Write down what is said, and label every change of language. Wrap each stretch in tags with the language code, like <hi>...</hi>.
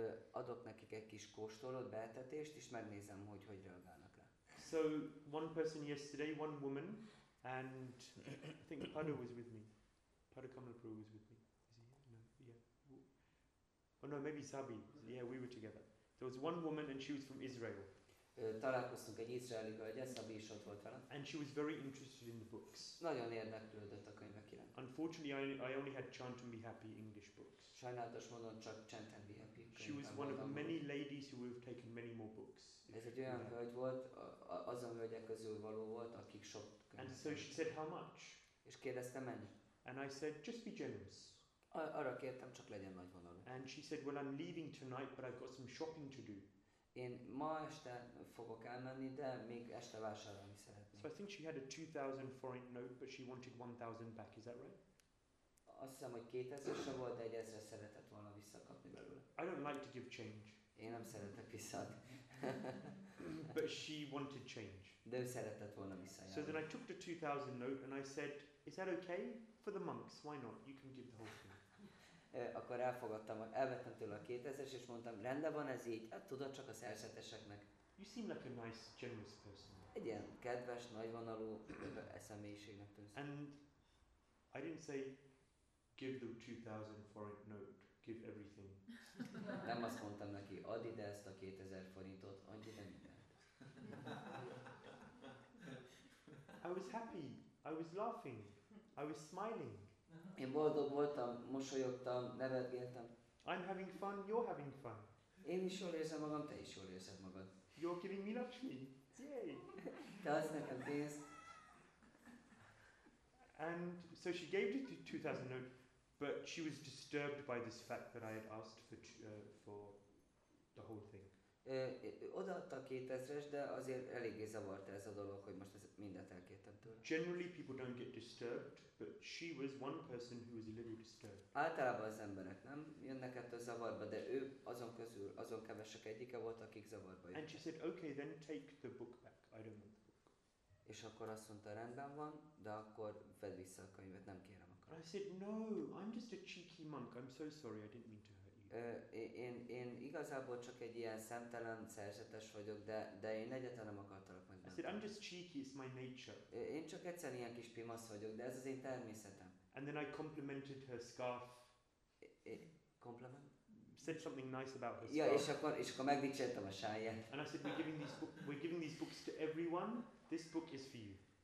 <hu>Adok nekik egy kis kóstolót, beetetést, és megnézem, hogy hogy reagálnak rá.</hu> <en>So one person yesterday, one woman, and I think Padu was with me. Padu Kamalapuru was with me. Is he? No, yeah. Oh no, maybe Sabi. Yeah, we were together. There was one woman and she was from Israel.</en> <hu>Találkoztunk egy izraeli hölgyel, Sabi is ott volt vele.</hu> <en>And she was very interested in the books.</en> <hu>Nagyon érdeklődött a könyvek iránt.</hu> <en>Unfortunately, I only had Chanting Be Happy English books.</en> <hu>Sajnálatos módon csak Chanting Be Happy.</hu> <en>She was one of many ladies who have taken many more books.</en> <hu>Ez egy olyan hölgy volt, azon hölgyek közül való volt, akik sok könyvek.</hu> <en>And so she said, how much?</en> <hu>És kérdezte, mennyi?</hu> <en>And I said, just be generous.</en> <hu>Arra kértem, csak legyen nagyvonalú.</hu> <en>And she said, well, I'm leaving tonight, but I've got some shopping to do.</en> <hu>Én ma este fogok elmenni, de még este vásárolni szeretnék.</hu> <en>So I think she had a 2000 forint note, but she wanted 1000 back, is that right?</en> <hu>Azt hiszem, hogy 2000-se volt, de 1000-re szeretett volna visszakapni belőle.</hu> <en>I don't like to give change.</en> <hu>Én nem szeretek visszaadni.</hu> <en>But she wanted change.</en> <hu>De ő szeretett volna visszajárni.</hu> <en>So then I took the 2000 note and I said, is that okay for the monks? Why not? You can give the whole thing.</en> <hu>Akkor elfogadtam, elvettem tőle a 2000-es, és mondtam, rendben van ez így, hát tudod, csak a szerzeteseknek.</hu> <en>You seem like a nice, generous person.</en> <hu>Egy ilyen kedves, nagyvonalú személyiségnek tűnsz.</hu> <en>And I didn't say, give the 2000 forint note, give everything.</en> <hu>Nem azt mondtam neki, add ide ezt a 2000 forintot, adj ide mindent.</hu> <en>I was happy, I was laughing, I was smiling.</en> <hu>Én boldog voltam, mosolyogtam, nevetgéltem.</hu> <en>I'm having fun, you're having fun.</en> <hu>Én is jól érzem magam, te is jól érzed magad.</hu> <en>You're giving me Lakshmi. Yay!</en> <hu>Te adsz nekem pénzt.</hu> <en>And so she gave it to 2000 note, but she was disturbed by this fact that I had asked for the whole thing.</en> <hu>Odaadta a 2000-es, de azért eléggé zavart ez a dolog, hogy most mindent elkértem tőle.</hu> <en>Generally people don't get disturbed, but she was one person who was a little disturbed.</en> <hu>Általában az emberek nem jönnek ettől zavarba, de ő azon közül, azon kevesek egyike volt, akik zavarba jött.</hu> <en>And she said, okay, then take the book back. I don't want the book.</en> <hu>És akkor azt mondta, rendben van, de akkor vedd vissza a könyvet, nem kérem akar.</hu> <en>I said, no, I'm just a cheeky monk, I'm so sorry, I didn't mean to.</en> <hu>Én igazából csak egy ilyen szemtelen szerzetes vagyok, de én egyáltalán nem akartalak meg.</hu> <en>I said, I'm just cheeky, it's my nature.</en> <hu>Én csak egyszerűen ilyen kis pimasz vagyok, de ez az én természetem.</hu> <en>And then I complimented her scarf. Compliment? Said something nice about her scarf.</en> <hu>Ja, és akkor megdicsértem a sáját.</hu> <en>And I said, we're giving these books to everyone, this book is for you.</en>